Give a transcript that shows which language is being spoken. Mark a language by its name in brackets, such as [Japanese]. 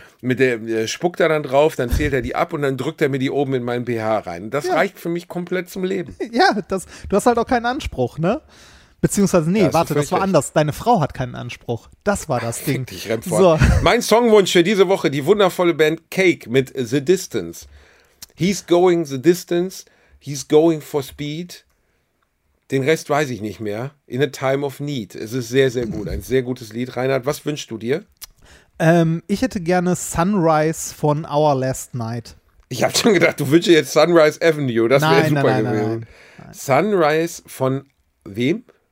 [German] Mit der spuckt er dann drauf, dann zählt er die ab und dann drückt er mir die oben in meinen BH rein. Das reicht für mich komplett zum Leben. Ja, du hast halt auch keinen Anspruch, ne? Beziehungsweise, nee, warte, das war anders. Deine Frau hat keinen Anspruch. Das war das Ding. Fick dich, Remford. So. Mein Songwunsch für diese Woche, die wundervolle Band Cake mit The Distance. [English] He's going the distance, he's going for speed. [German] Den Rest weiß ich nicht mehr. [English] In a time of need. [German] Es ist sehr, sehr gut. Ein sehr gutes Lied. Reinhard, was wünschst du dir? Ich hätte gerne Sunrise von Our Last Night. Ich habe schon gedacht, du wünschst jetzt Sunrise Avenue. Das wäre super gewesen. Sunrise von wem?